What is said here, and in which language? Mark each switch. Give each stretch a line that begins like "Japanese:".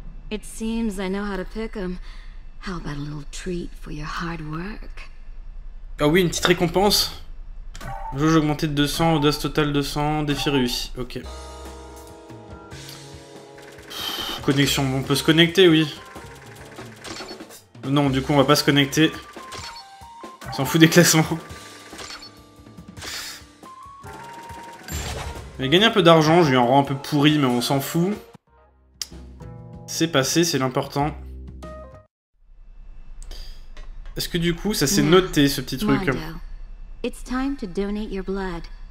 English: It seems I know how to pick 'em. How about a little treat for your hard work?
French: Ah oui, une petite récompense. Jauge augmentée de 200, audace totale 200, défi réussi. Ok. Connexion, on peut se connecter, oui. Non, du coup, on va pas se connecter. On s'en fout des classements. J'ai gagné un peu d'argent, je lui en rends un peu pourri, mais on s'en fout. C'est passé, c'est l'important. Est-ce que du coup, ça s'est noté, ce petit truc?
English: It's time to donate your blood.